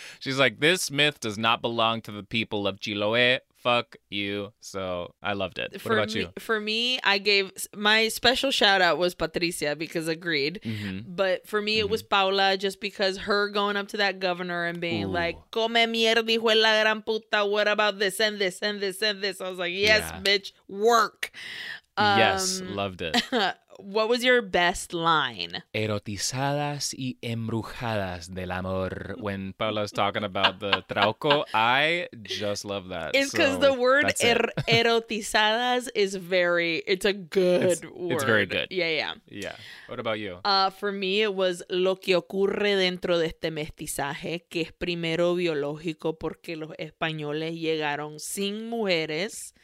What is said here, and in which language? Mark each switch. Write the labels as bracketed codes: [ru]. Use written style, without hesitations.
[en] She's like, this myth does not belong to the people of Chiloé. Fuck you. So I loved it. For what about you? For me, I gave my special shout out was Patricia because agreed. Mm-hmm. But for me, mm-hmm. it was Paula just because her going up to that governor and being Ooh. [es] Like, come mierda, hijo de la gran puta. [en] What about this and this and this and this? I was like, yes, yeah. bitch, work. Yes, loved it. What was your best line? [es] Erotizadas y embrujadas del amor. [en] When Paula's talking about the trauco, I just love that. It's because so the word erotizadas is very, it's a good it's, word. It's very good. Yeah, yeah. Yeah. What about you? For me, it was [es] lo que ocurre dentro de este mestizaje, que es primero biológico porque los españoles llegaron sin mujeres.